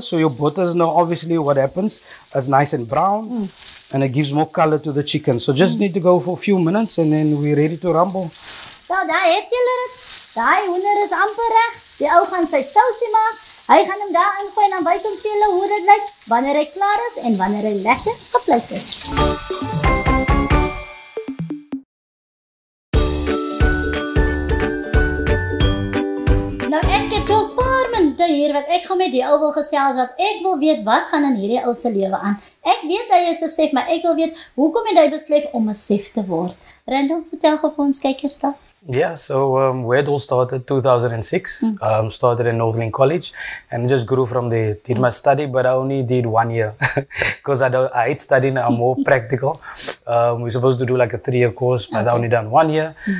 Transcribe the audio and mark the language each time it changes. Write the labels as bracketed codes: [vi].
[en] So your butters know obviously what happens. It's nice and brown. Mm. And it gives more color to the chicken. So just need to go for a few minutes and then we're ready to rumble. [af] Nou, daar het julle het. Daai hoender is amper reg. Die ou gaan sy sausie maak. Hy gaan hem daar ingooi en dan wys ons julle hoe dit lyk. Wanneer hy klaar is en wanneer hy lekker geplak is. Nou ek het so 'n paar minute hier wat ek gaan met die ou wil gesels wat ek wil weet wat gaan in hierdie ou se lewe aan. Ek weet hy is 'n chef, maar ek wil weet hoekom het hy besluit om 'n chef te word. Randall, vertel gou vir ons kykers daar. [en] Yeah, so where it all started, 2006, started in Northern College and just grew from there. Did my study, but I only did 1 year because I hate studying, I'm more practical. We're supposed to do like a 3-year course, but I only done 1 year.